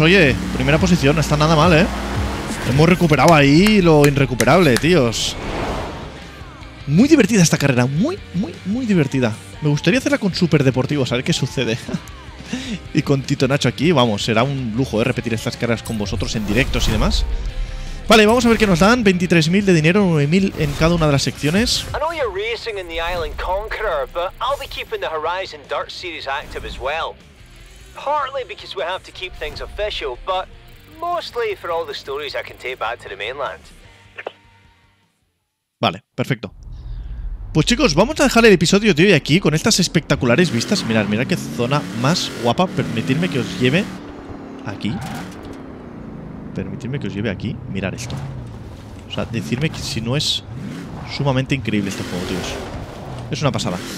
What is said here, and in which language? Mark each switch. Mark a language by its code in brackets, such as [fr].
[es] Oye, primera posición. No está nada mal, ¿eh? Hemos recuperado ahí lo irrecuperable, tíos. Muy divertida esta carrera. Muy, muy, muy divertida. Me gustaría hacerla con superdeportivos. A ver qué sucede. Y con Tito Nacho aquí. Vamos, será un lujo, ¿eh? Repetir estas carreras con vosotros en directos y demás. Vale, vamos a ver qué nos dan. 23.000 de dinero, 9.000 en cada una de las secciones. [en] I know you're racing in the Island Conqueror, but I'll be keeping the Horizon Dirt Series active as well. Partly because we have to keep things official, but mostly for all the stories I can take back to the mainland. [es] Vale, perfecto. Pues chicos, vamos a dejar el episodio de hoy aquí con estas espectaculares vistas. Mirad, mirad qué zona más guapa. Permitidme que os lleve aquí. Permitidme que os lleve aquí. Mirad esto. O sea, decirme que si no es sumamente increíble este juego, tíos. Es una pasada.